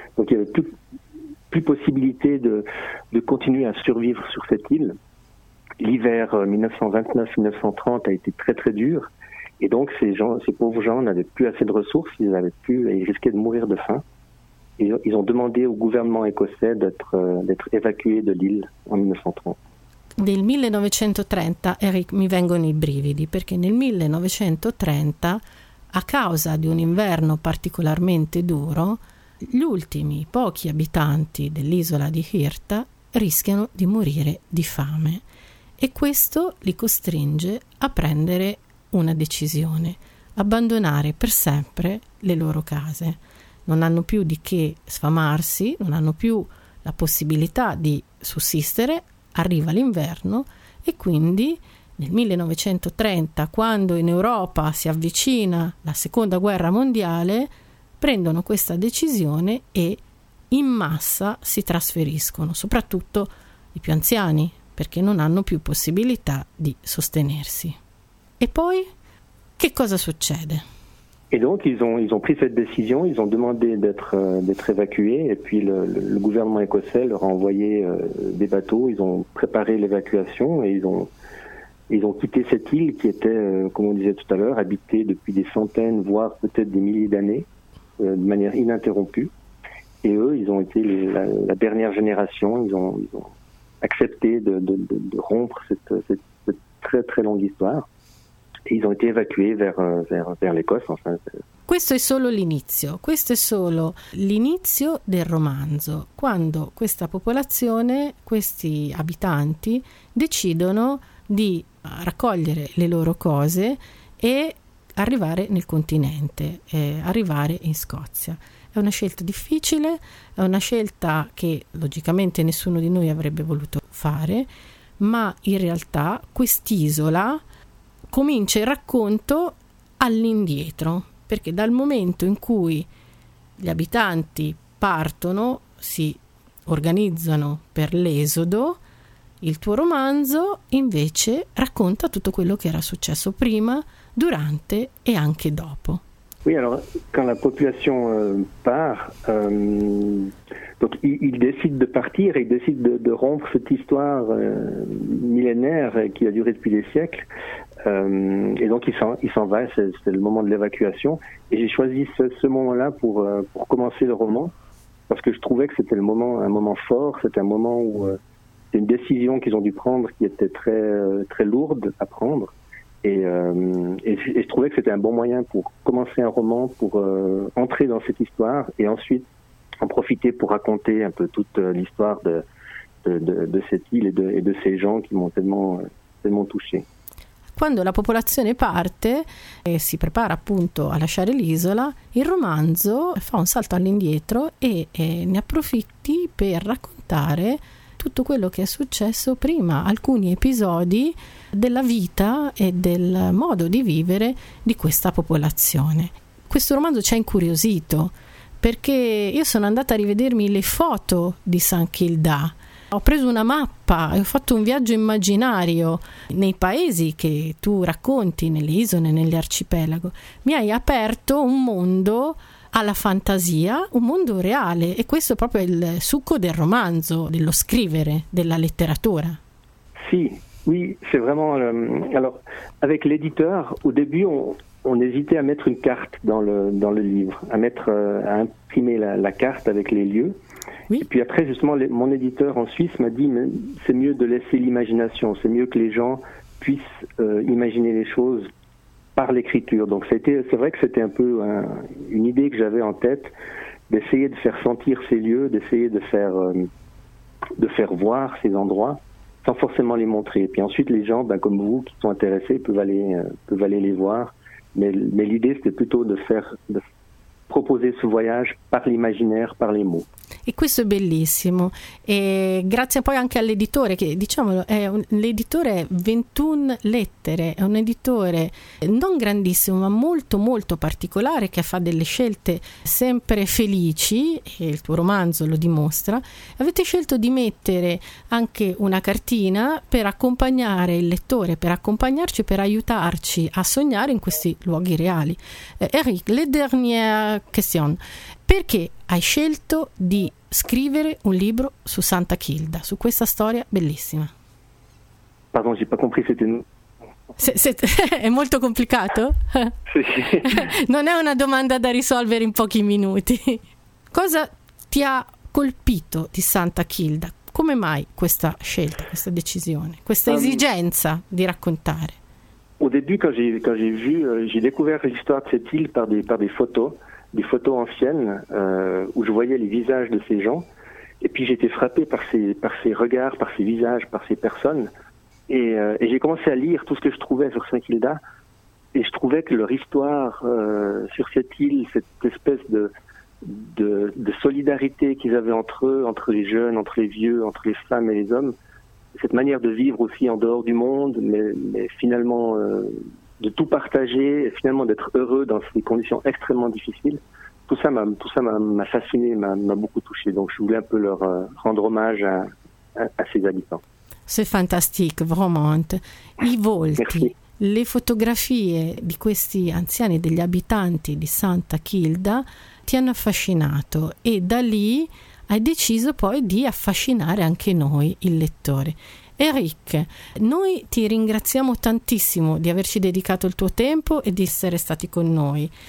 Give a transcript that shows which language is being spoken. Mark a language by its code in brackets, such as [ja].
[fr] Donc il n'y avait plus possibilité de continuer à survivre sur cette île. L'hiver 1929-1930 a été très très dur. Et donc ces pauvres gens n'avaient plus assez de ressources, ils risquaient de mourir de faim. Et ils ont demandé au gouvernement écossais d'être évacués de l'île en 1930. [it] Del 1930, Eric, mi vengono i brividi, perché nel 1930, a causa di un inverno particolarmente duro, gli ultimi pochi abitanti dell'isola di Hirta rischiano di morire di fame. E questo li costringe a prendere una decisione: abbandonare per sempre le loro case. Non hanno più di che sfamarsi, non hanno più la possibilità di sussistere, arriva l'inverno e quindi nel 1930, quando in Europa si avvicina la Seconda Guerra Mondiale, prendono questa decisione e in massa si trasferiscono, soprattutto i più anziani, perché non hanno più possibilità di sostenersi. E poi che cosa succede? [fr] E donc ils ont pris cette décision, ils ont demandé d'être évacués et puis le gouvernement écossais leur a envoyé des bateaux, ils ont préparé l'évacuation et ils ont quitté cette île qui était comme on disait tout à l'heure habitée depuis des centaines voire peut-être des milliers d'années de manière ininterrompue. Et eux, ils ont été la dernière génération, ils ont accepté de rompre cette très très longue histoire. Ils ont été évacués vers l'Écosse. Enfin. [it] Questo è solo l'inizio. Questo è solo l'inizio del romanzo, quando questa popolazione, questi abitanti, decidono di raccogliere le loro cose e arrivare nel continente, arrivare in Scozia. È una scelta difficile, è una scelta che logicamente nessuno di noi avrebbe voluto fare, ma in realtà quest'isola comincia il racconto all'indietro, perché dal momento in cui gli abitanti partono, si organizzano per l'esodo, il tuo romanzo invece racconta tutto quello che era successo prima, durante e anche dopo. [fr] Oui, alors quand la population part, donc ils décident de partir et ils décident de rompre cette histoire millénaire qui a duré depuis des siècles. Et donc ils s'en vont, c'est le moment de l'évacuation. Et j'ai choisi ce moment-là pour commencer le roman parce que je trouvais que c'était un moment fort, c'était un moment où c'est une décision qu'ils ont dû prendre qui était très très lourde à prendre. Et je trouvais que c'était un bon moyen pour commencer un roman, pour entrer dans cette histoire et ensuite en profiter pour raconter un peu toute l'histoire de cette île et de ces gens qui m'ont tellement touché. [it] Quando la popolazione parte e si prepara appunto a lasciare l'isola, il romanzo fa un salto all'indietro e ne approfitti per raccontare tutto quello che è successo prima, alcuni episodi della vita e del modo di vivere di questa popolazione. Questo romanzo ci ha incuriosito, perché io sono andata a rivedermi le foto di San Kilda. Ho preso una mappa e ho fatto un viaggio immaginario nei paesi che tu racconti, nelle isole, nell'arcipelago. Mi hai aperto un mondo alla fantasia, un mondo reale, e questo è proprio il succo del romanzo, dello scrivere, della letteratura. [fr] Sì, oui, c'est vraiment alors avec l'éditeur au début on hésitait à mettre une carte dans le livre, à imprimer la carte avec les lieux. Oui. Et puis après justement mon éditeur en Suisse m'a dit mais c'est mieux de laisser l'imagination, c'est mieux que les gens puissent imaginer les choses par l'écriture. Donc c'est vrai que c'était un peu une idée que j'avais en tête d'essayer de faire sentir ces lieux, d'essayer de faire voir ces endroits sans forcément les montrer. Et puis ensuite les gens, ben, comme vous qui sont intéressés, peuvent aller les voir. Mais l'idée c'était plutôt de proposer ce voyage par l'imaginaire, par les mots. [it] E questo è bellissimo. E grazie poi anche all'editore, che diciamolo, è l'editore 21 Lettere, è un editore non grandissimo, ma molto molto particolare, che fa delle scelte sempre felici, e il tuo romanzo lo dimostra. Avete scelto di mettere anche una cartina per accompagnare il lettore, per accompagnarci, per aiutarci a sognare in questi luoghi reali. Eric, [fr] le dernière question. [it] Perché hai scelto di scrivere un libro su Santa Kilda, su questa storia bellissima? [fr] Pardon, j'ai pas compris, c'était... [it] è molto complicato? Sì. Non è una domanda da risolvere in pochi minuti. Cosa ti ha colpito di Santa Kilda? Come mai questa scelta, questa decisione, questa esigenza di raccontare? [fr] Au début, quand j'ai découvert l'histoire de cette île par des photos anciennes où je voyais les visages de ces gens, et puis j'étais frappé par ces regards, par ces visages, par ces personnes, et j'ai commencé à lire tout ce que je trouvais sur Saint Kilda, et je trouvais que leur histoire sur cette île, cette espèce de solidarité qu'ils avaient entre eux, entre les jeunes, entre les vieux, entre les femmes et les hommes, cette manière de vivre aussi en dehors du monde, mais finalement de tout partager, et finalement d'être heureux dans ces conditions extrêmement difficiles, tout ça m'a fasciné, m'a beaucoup touché. Donc je voulais un peu leur rendre hommage à ces habitants. C'est fantastique, vraiment. [it] I volti, [fr] merci. [it] Le fotografie di questi anziani, degli abitanti di Santa Kilda, ti hanno affascinato, e da lì hai deciso poi di affascinare anche noi, il lettore. Eric, noi ti ringraziamo tantissimo di averci dedicato il tuo tempo e di essere stati con noi.